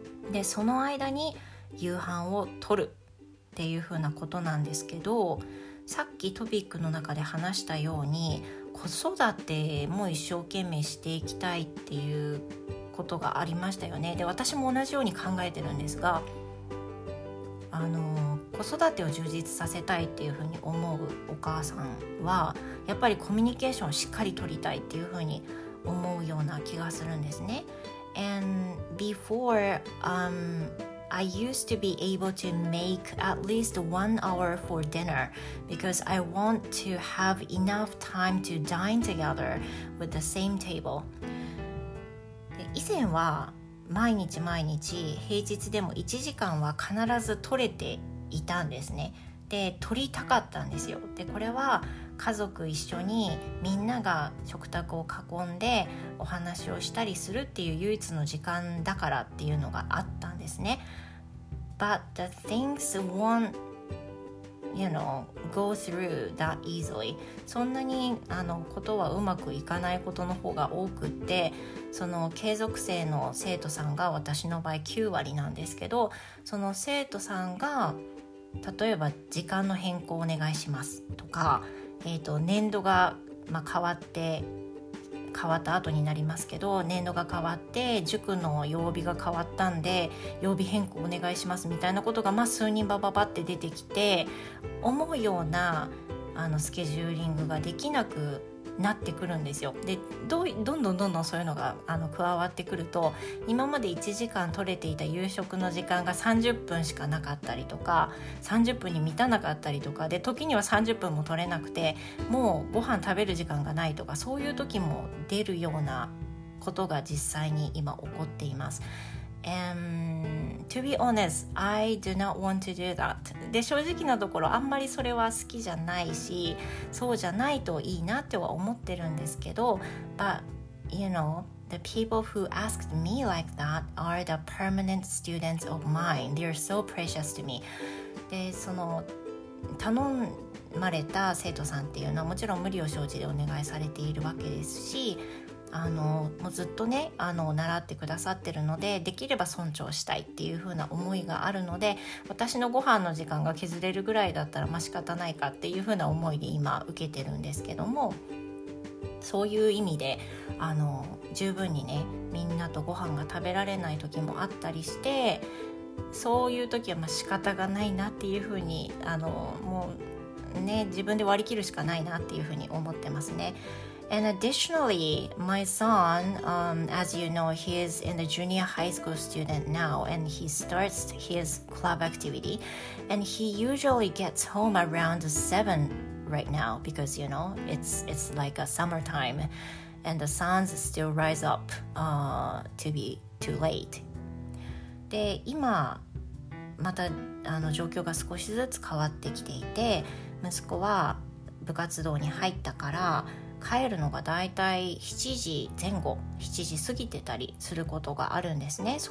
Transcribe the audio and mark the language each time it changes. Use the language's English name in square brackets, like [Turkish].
[Japanese] で、その間に夕飯を取るっていうふうなことなんですけど、さっきトピックの中で話したように、子育ても一生懸命していきたいっていうことがありましたよね。で、私も同じように考えてるんですが、子育てを充実させたいっていうふうに思うお母さんはやっぱりコミュニケーションをしっかり取りたいっていうふうに思うような気がするんですね。 [English] And before, I used to be able to make at least 1 hour for dinner because I want to have enough time to dine together with the same table. [Japanese] 以前は毎日毎日平日でも1時間は必ず取れていたんですね。で、取りたかったんですよ。で、これは家族一緒にみんなが食卓を囲んでお話をしたりするっていう唯一の時間だからっていうのがあったんですね。 [English] But the things won't, you know, go through that easily. [Japanese] そんなにことはうまくいかないことの方が多くって、その継続生の生徒さんが私の場合9割なんですけど、その生徒さんが例えば時間の変更をお願いしますとか、年度が、変わった後になりますけど、年度が変わって塾の曜日が変わったんで曜日変更お願いしますみたいなことが、数人バババって出てきて、思うようなスケジューリングができなくなってくるんですよ。で、どんどんそういうのが加わってくると、今まで1時間取れていた夕食の時間が30分しかなかったりとか、30分に満たなかったりとかで、時には30分も取れなくてもうご飯食べる時間がないとか、そういう時も出るようなことが実際に今起こっています。 [English] And to be honest, I do not want to do that. [Japanese] で、正直なところあんまりそれは好きじゃないし、そうじゃないといいなっては思ってるんですけど、 [English] But you know, the people who asked me like that are the permanent students of mine. They are so precious to me. [Japanese] で、その頼まれた生徒さんっていうのはもちろん無理を承知でお願いされているわけですし、もうずっとね習ってくださってるので、できれば尊重したいっていう風な思いがあるので、私のご飯の時間が削れるぐらいだったら仕方ないかっていう風な思いで今受けてるんですけども、そういう意味で十分にねみんなとご飯が食べられない時もあったりして、そういう時は仕方がないなっていう風にもうね自分で割り切るしかないなっていう風に思ってますね。 [English] And additionally, my son, as you know, he is in a junior high school student now, and he starts his club activity. And he usually gets home around 7 right now, because, you know, it's like a summertime, and the sun still rise up to be too late. [Japanese] で、今、また状況が少しずつ変わってきていて、息子は部活動に入ったから、帰るのがだいたい7時前後、7時過ぎてたりすることがあるんですね。